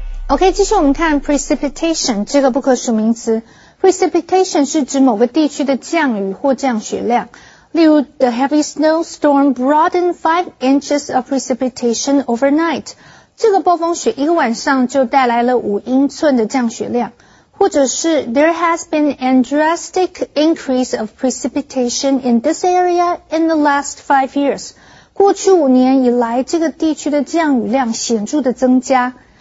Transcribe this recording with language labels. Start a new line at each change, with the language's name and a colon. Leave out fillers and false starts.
Chinese: Oh, OK, 继续我们看 precipitation 这个不可数名词。 Precipitation 是指某个地区的降雨或降雪量。例如
English: ,the heavy snowstorm brought in 5 inches of precipitation overnight.
Chinese: 这个暴风雪一个晚上就带来了5英寸的降雪量。或者是
English: ,there has been a drastic increase of precipitation in this area in the last 5 years.
Chinese: 过去5年以来这个地区的降雨量显著的增加。